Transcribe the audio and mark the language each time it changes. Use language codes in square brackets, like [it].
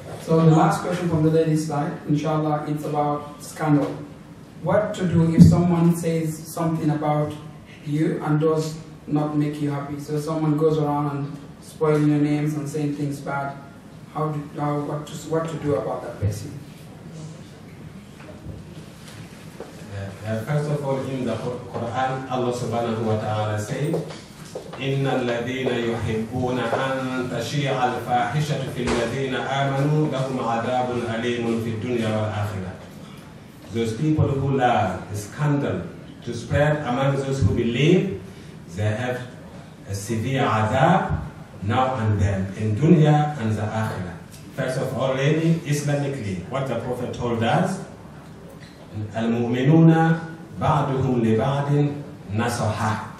[en] So the last question from the lady's side, inshallah, it's about scandal. What to do if someone says something about you and does not make you happy? So someone goes around and spoiling your names and saying things bad. What to do about that person? First of all, in the Quran, Allah subhanahu wa ta'ala says, [ar] إن الذين يحبون أن تشيع الفاحشة في الذين آمنوا لهم عذاب أليم في الدنيا والآخرة. [en] Those people who love scandal to spread among those who believe, they have a severe عذاب now and then in dunya and the akhira. First of all, really, Islamically, what the Prophet told us, [ar] المؤمنون بعضهم لبعض نصحا.